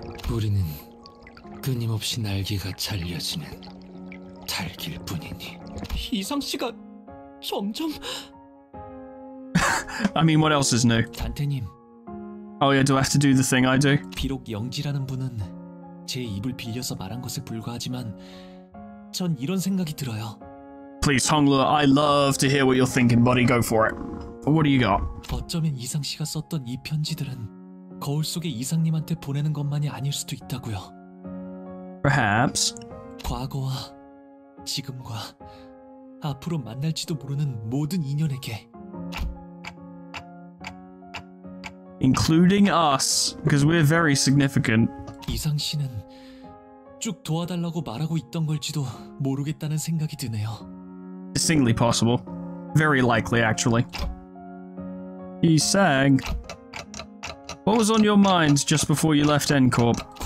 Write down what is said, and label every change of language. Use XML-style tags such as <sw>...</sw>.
<ko>우리는 끊임없이 날개가 잘려지는 달길 뿐이니. 이상 씨가 점점.</ko> <en>I mean, what else is new?</en> <ko>단테님.</ko> <en>Oh yeah, do I have to do the thing I do?</en> <ko>비록 영지라는 분은 제 입을 빌려서 말한 것에 불과하지만 전 이런 생각이 들어요.</ko> <en>Please, Hongle, I love to hear what you're thinking, buddy. Go for it. What do you got?</en> <ko>어쩌면 이상 씨가 썼던 이 편지들은 거울 속의 이상님한테 보내는 것만이 아닐 수도 있다고요.</ko> <en>Perhaps.</en> <ko>과거와 지금과 앞으로 만날지도 모르는 모든 인연에게.</ko> <en>Including us, because we're very significant.</en> <ko>이상 씨는 쭉 도와달라고 말하고 있던 걸지도 모르겠다는 생각이 드네요.</ko> <en>Distinctly possible. Very likely, actually. Yisang, what was on your mind just before you left N-Corp?</en>